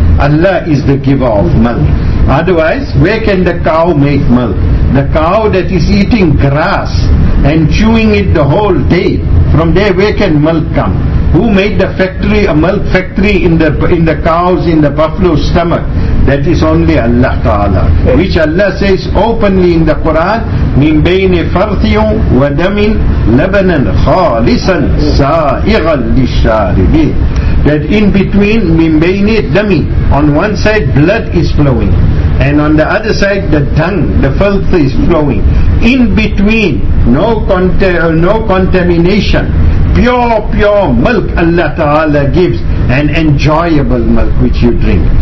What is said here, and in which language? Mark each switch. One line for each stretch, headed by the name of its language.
English: Allah is the giver of milk. Otherwise, where can the cow make milk? The cow that is eating grass and chewing it the whole day, from there where can milk come? Who made the factory, a milk factory in the cow's, in the buffalo's stomach? That is only Allah Ta'ala. Which Allah says openly in the Quran,
Arabic: مِنْ بَيْنِ فَرْثٍ وَدَمٍ لَبَنًا خَالِصًا سَائِغًا لِلشَّارِبِينَ.
English: That in between,
Arabic: مِنْ بَيْنِ دَمٍ.
English: On one side, blood is flowing. And on the other side, the tongue, the filth is flowing. In between, no contamination. Pure milk Allah Ta'ala gives, an enjoyable milk which you drink.